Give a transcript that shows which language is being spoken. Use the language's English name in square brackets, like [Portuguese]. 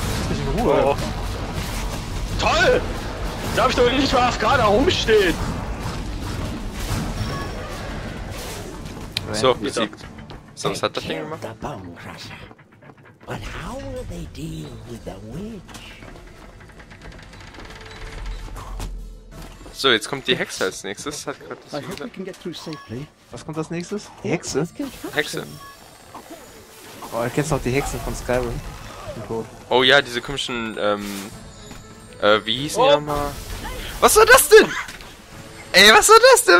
[German] Ich bin in Ruhe. Oh. Toll! Darf ich doch nicht mal AFK da rumstehen! So, besiegt. Sonst hat das Ding gemacht. [English] How will they deal with the witch? [German] So, jetzt kommt die Hexe als nächstes. Hat gerade das Was kommt als nächstes? Die Hexe? Hexe. Oh, ich kenn's noch die Hexen von Skyrim. Oh ja, diese komischen, wie hießen die nochmal? Was war das denn? Ey, was war das denn?